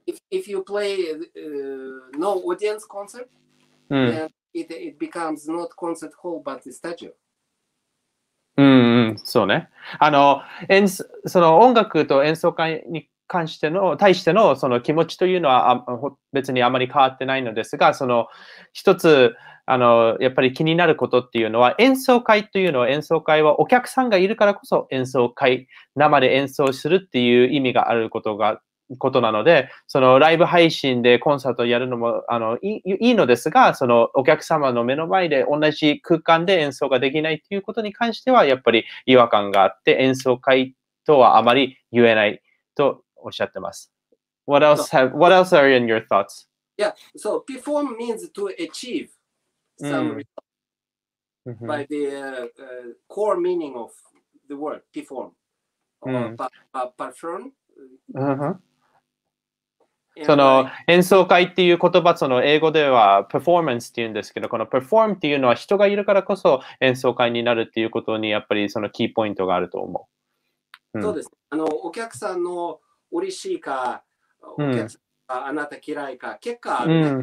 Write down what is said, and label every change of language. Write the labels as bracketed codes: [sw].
[en] If you play no audience concert, then it becomes not concert hall but the stadium. [ja] そうね。あの演その音楽と演奏会に関しての対してのその気持ちというのは別にあまり変わってないのですが、その一つあのやっぱり気になることっていうのは、演奏会というのは、演奏会はお客さんがいるからこそ演奏会、生で演奏するっていう意味があることがことなので、そのライブ配信でコンサートやるのもあのいいのですが、そのお客様の目の前で同じ空間で演奏ができないということに関してはやっぱり違和感があって、演奏会とはあまり言えないとおっしゃってます。 [en] What else are in your thoughts? Yeah, so perform means to achieve some result by the core meaning of the word perform. Perform. [ja] その演奏会っていう言葉、その英語ではパフォーマンスっていうんですけど、このパフォームっていうのは人がいるからこそ演奏会になるっていうことにやっぱりそのキーポイントがあると思う。そうです。あのお客さんの嬉しいか、お客さんがあなた嫌いか、結果ある